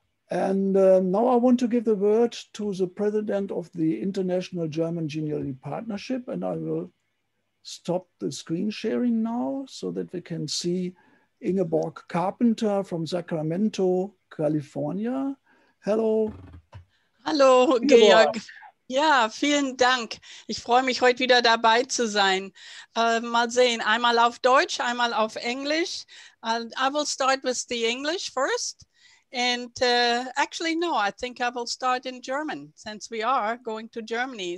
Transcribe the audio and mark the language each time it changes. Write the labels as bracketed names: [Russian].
[English] And now I want to give the word to the president of the International German Genealogy Partnership, and I will stop the screen sharing now so that we can see Ingeborg Carpenter from Sacramento, California. Hello. Hello, Ingeborg. [German] Georg. Ja, vielen Dank. Ich freue mich, heute wieder dabei zu sein. Mal sehen, einmal auf Deutsch, einmal auf Englisch. [English] I will start with the English first. And actually, no, I think I will start in German, since we are going to Germany.